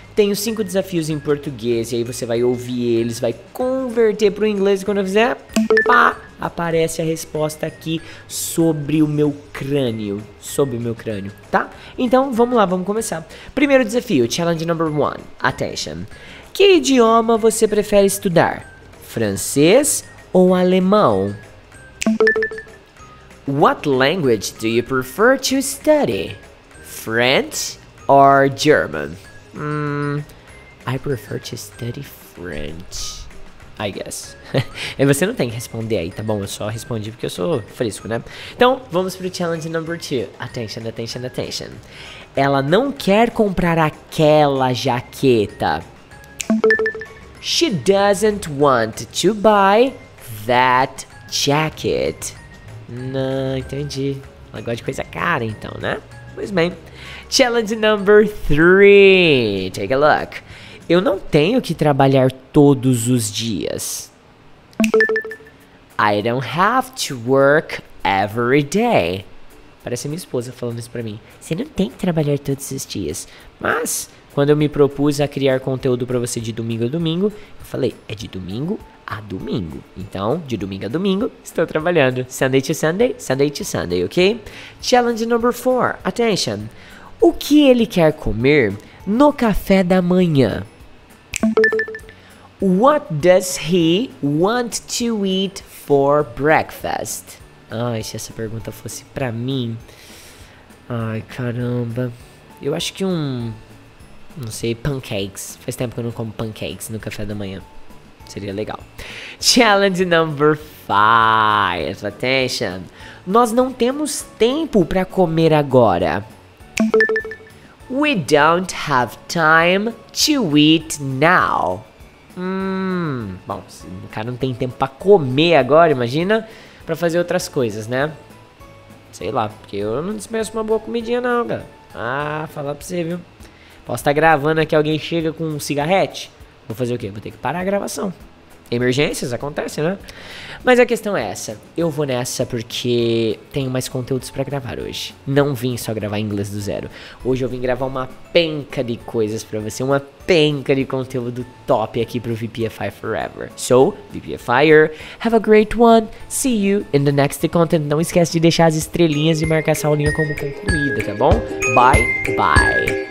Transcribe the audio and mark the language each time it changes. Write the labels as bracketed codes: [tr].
[pt] Tenho 5 desafios em português e aí você vai ouvir eles, vai converter pro inglês e quando eu fizer, pá, aparece a resposta aqui sobre o meu crânio, tá? Então, vamos lá, vamos começar. Primeiro desafio, [en] challenge number one, attention. [pt] Que idioma você prefere estudar? Francês ou alemão? [en] What language do you prefer to study? French or German? I prefer to study French, I guess. [pt] E você não tem que responder aí, tá bom? Eu só respondi porque eu sou fresco, né? Então, vamos pro [en] challenge number two. [pt] Attention, attention, attention. Ela não quer comprar aquela jaqueta. [en] She doesn't want to buy that jacket. [pt] Não, entendi. Ela gosta de coisa cara, então, né? Pois bem. [en] Challenge number three. Take a look. [pt] Eu não tenho que trabalhar todos os dias. [en] I don't have to work every day. [pt] Parece a minha esposa falando isso pra mim. Você não tem que trabalhar todos os dias. Mas, quando eu me propus a criar conteúdo pra você de domingo a domingo, eu falei, é de domingo a domingo. Então, de domingo a domingo, estou trabalhando. [en] Sunday to Sunday, Sunday to Sunday, ok? Challenge number four. Attention. [pt] O que ele quer comer no café da manhã? [en] What does he want to eat for breakfast? [pt] Ai, se essa pergunta fosse pra mim... Ai, caramba... Eu acho que não sei, pancakes. Faz tempo que eu não como pancakes no café da manhã. Seria legal. [en] Challenge number 5. Attention. [pt] Nós não temos tempo pra comer agora. [en] We don't have time to eat now. [pt] Bom, se o cara não tem tempo pra comer agora, imagina, pra fazer outras coisas, né? Sei lá, porque eu não dispenso uma boa comidinha não, cara. Ah, falar pra você, viu? Posso estar gravando aqui, alguém chega com um cigarrete? Vou fazer o quê? Vou ter que parar a gravação. Emergências acontecem, né? Mas a questão é essa. Eu vou nessa porque tenho mais conteúdos pra gravar hoje. Não vim só gravar inglês do zero. Hoje eu vim gravar uma penca de coisas pra você. Uma penca de conteúdo top aqui pro VPFI Forever. [en] So, VPFIer, have a great one. See you in the next content. [pt] Não esquece de deixar as estrelinhas e marcar essa aulinha como concluída, tá bom? [en] Bye, bye.